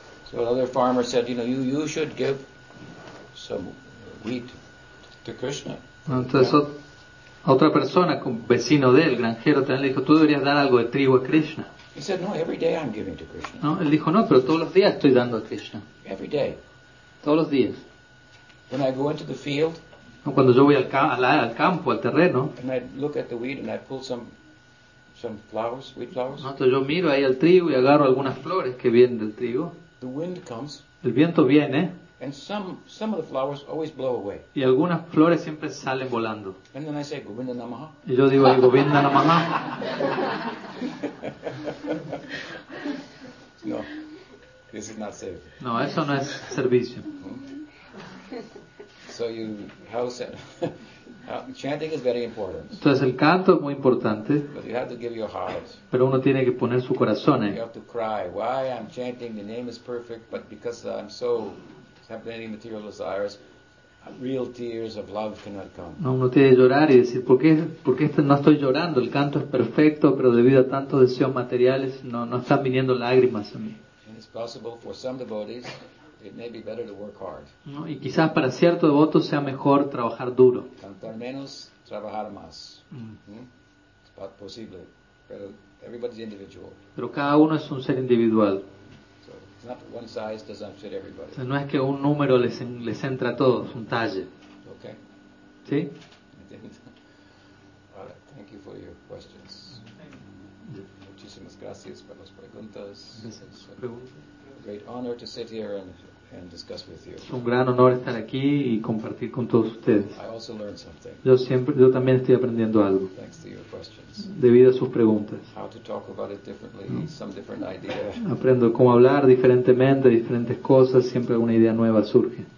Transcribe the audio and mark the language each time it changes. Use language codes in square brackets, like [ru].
[en] So another farmer said, you know, you should give some wheat to Krishna. [es] Entonces, otra persona, vecino de él, granjero, también le dijo, tú deberías dar algo de trigo a Krishna. [en] He said, no, every day I'm giving to Krishna. [es] No, él dijo, no, pero todos los días estoy dando a Krishna. [en] Every day. [es] Todos los días. [en] When I go into the field, [es] no, cuando yo voy al campo, al terreno, [en] and I look at the wheat and I pull some flowers, wheat flowers. [es] No, entonces yo miro ahí al trigo y agarro algunas flores que vienen del trigo. [en] The wind comes. [es] El viento viene. [en] And some of the flowers always blow away. [es] Y algunas flores siempre salen volando. [en] And then I say, Govinda Namaha. [es] Y yo digo, Govinda Namaha. [en] No, this is not service. [es] No, eso no es servicio. [en] So you, how said, chanting is very important. [es] Entonces el canto es muy importante. [en] But you have to give your heart. [es] Pero uno tiene que poner su corazón ahí. [en] You have to cry. Why I'm chanting? The name is perfect, but because I'm so have any material desires, real tears of love cannot come. [es] No, uno tiene que llorar y decir, ¿por qué no estoy llorando? El canto es perfecto, pero debido a tantos deseos materiales, no están viniendo lágrimas a mí. [en] And it's possible for some devotees, it may be better to work hard. [es] No, y quizás para cierto devoto sea mejor trabajar duro. Cantar menos, trabajar más. Es posible, pero [en] everybody's individual. [es] Pero cada uno es un ser individual. [en] Not one size does not fit everybody. [es] No es que un número les entra a todos, un talle. [en] Okay. [es] ¿Sí? [en] entertainment. All right, thank you for your questions. Thank you. [es] Muchísimas gracias por las preguntas. [en] It's a pregunta. Great honor to sit here and discuss with you. [es] Es un gran honor estar aquí y compartir con todos ustedes. [en] I also learned something. [es] Yo también estoy aprendiendo algo. [en] Thanks to your questions. [es] Debido a sus preguntas. [en] How to talk about it differently, some different idea. [es] Aprendo cómo hablar diferentemente, diferentes cosas, siempre alguna idea nueva surge.